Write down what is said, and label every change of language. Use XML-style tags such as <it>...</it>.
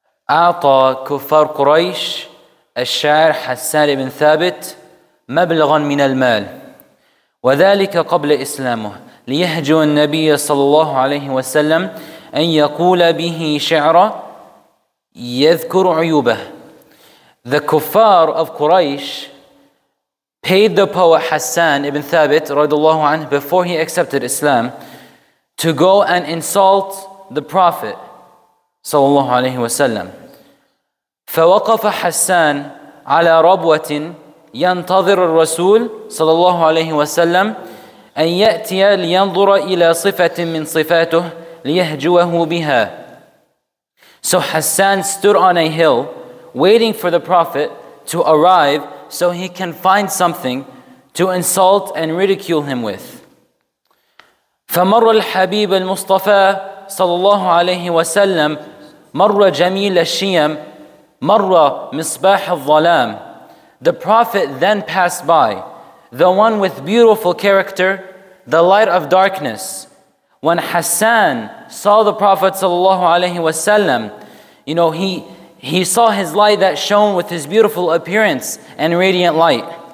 <ar>أعطى كفار قريش الشاعر حسان بن ثابت مبلغا من المال وذلك قبل إسلامه ليهجو النبي صلى الله عليه وسلم أن يقول به شعرا يذكر عيوبه.</ar> <en>The kuffar of Quraysh paid the poet Hassan ibn Thabit radiallahu anhu before he accepted Islam to go and insult the Prophet sallallahu alayhi wa sallam.</en> <ar>فوقف حسان على ربوة ينتظر الرسول صلى الله عليه وسلم أن يأتي لينظر إلى صفة من صفاته ليهجوه بها.</ar> <en>So Hassan stood on a hill waiting for the Prophet to arrive so he can find something to insult and ridicule him with.</en> <ar>فمر الحبيب المصطفى صلى الله عليه وسلم مر جميل الشيم مر مصباح الظلام.</ar> <en>The Prophet then passed by, the one with beautiful character, the light of darkness. When Hassan saw the Prophet sallallahu alaihi wasallam, you know, he saw his light that shone with his beautiful appearance and radiant light.</en>